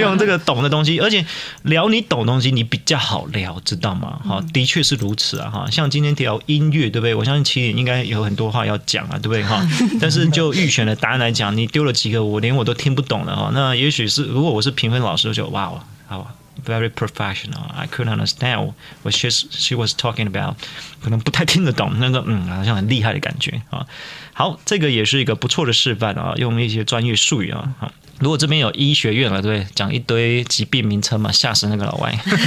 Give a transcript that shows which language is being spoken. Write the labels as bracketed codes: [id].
[zh] 用这个懂的东西，而且聊你懂的东西，你比较好聊，知道吗？哦、的确是如此啊，像今天聊音乐，对不对？我相信其实应该有很多话要讲啊，对不对？但是就预选的答案来讲，你丢了几个，我连我都听不懂了那也许是，如果我是评分老师，就哇哦，好。 [en] Very professional. I couldn't understand what she was talking about. [zh] 可能不太听得懂，那个嗯，好像很厉害的感觉啊。好，这个也是一个不错的示范啊，用一些专业术语啊。好，如果这边有医学院了，对，讲一堆疾病名称嘛，吓死那个老外。